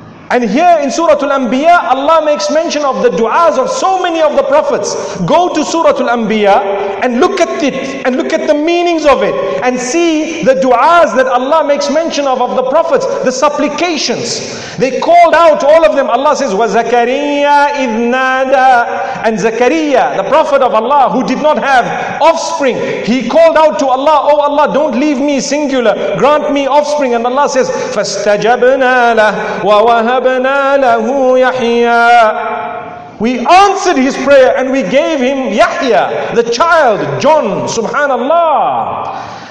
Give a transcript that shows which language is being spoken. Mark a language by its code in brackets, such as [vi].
[en] And here in Surah Al-Anbiya, Allah makes mention of the du'as of so many of the prophets. Go to Surah Al-Anbiya and look at it, and look at the meanings of it, and see the du'as that Allah makes mention of the prophets, the supplications. They called out, all of them. Allah says, [ar] وَزَكَرِيَّا إِذْ نَادَى. [en] And Zakariya, the prophet of Allah, who did not have offspring, he called out to Allah, oh Allah, don't leave me singular, grant me offspring. And Allah says, [ar] فَاسْتَجَبْنَا لَهُ وَوَهَبْنَا. [en] We answered his prayer and we gave him Yahya, the child, John, subhanallah.